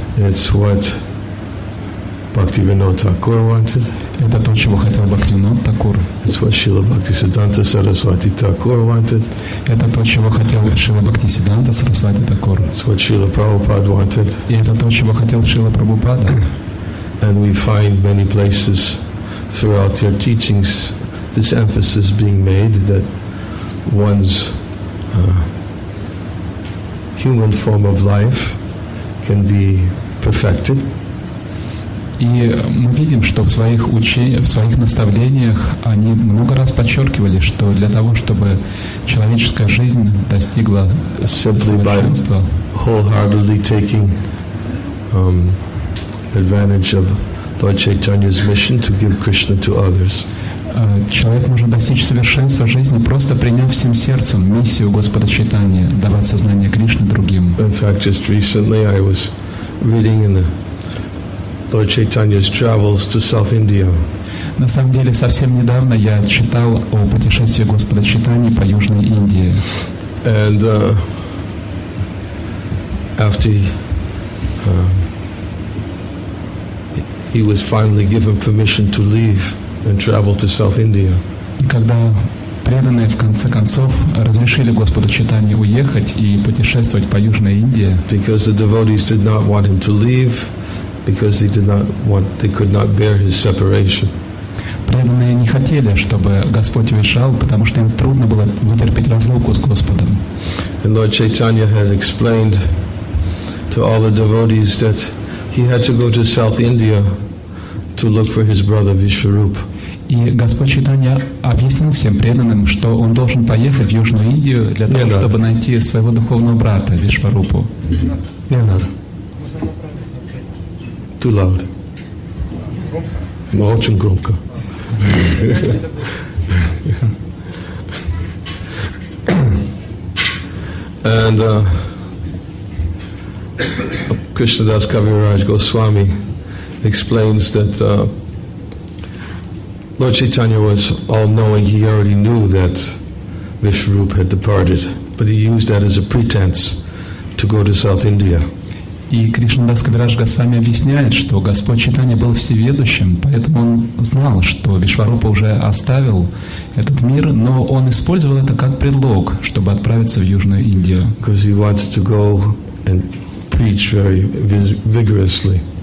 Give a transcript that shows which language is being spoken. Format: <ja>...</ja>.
<en>It's what Bhaktivinoda Thakur wanted.</en> <ru>Это то, чего хотел Бхактивинода Такур.</ru> <en>It's what Srila Bhaktisiddhanta Saraswati Thakur wanted.</en> <ru>Это то, чего хотел Шрила Бхактисиддханта Сарасвати Такур.</ru> <en>It's what Srila Prabhupada wanted.</en> <ru>И это то, чего хотел Шрила Прабхупада.</ru> <en>And we find many places throughout your teachings this emphasis being made that one's human form of life can be perfected.</en> <ru>И мы видим, что в своих учениях, в своих наставлениях они много раз подчеркивали, что для того, чтобы человеческая жизнь достигла совершенства,</ru> <en>wholeheartedly taking advantage of Lord Chaitanya's mission to give Krishna to others.</en> <ru>Человек может достичь совершенства жизни, просто приняв всем сердцем миссию Господа Чайтаньи, давать сознание Кришны другим.</ru> <en>In fact, just recently I was reading in the Lord Chaitanya's travels to South India.</en> <ru>На самом деле, совсем недавно я читал о путешествии Господа Чайтаньи по Южной Индии.</ru> <en>And after he was finally given permission to leave and travel to South India.</en> <ru>И когда преданные в конце концов разрешили Господу Чайтанье уехать и путешествовать по Южной Индии.</ru> <en>Because the devotees did not want him to leave. Because they could not bear his separation.</en> <ru>Преданные не хотели, чтобы Господь уезжал, потому что им трудно было вытерпеть разлуку с Господом.</ru> <en>And Lord Chaitanya had explained to all the devotees that he had to go to South India to look for his brother Vishwaroop.</en> <ru>И Господь Чайтанья объяснил всем преданным, что он должен поехать в Южную Индию для того, чтобы найти своего духовного брата Вишварупу. Не надо.</ru> <en>Too loud.</en> <ru>Очень громко.</ru> <en>And Krishnadas Kaviraj Goswami explains that Lord Chaitanya was all-knowing. He already knew that Vishwaroop had departed, but he used that as a pretense to go to South India.</en> <ru>И Кришнадас Кавираш Госвами объясняет, что Господь Чайтанья был всеведущим, поэтому он знал, что Вишварупа уже оставил этот мир, но он использовал это как предлог, чтобы отправиться в Южную Индию.</ru> <en>Because he wanted to go and preach very vigorously.</en>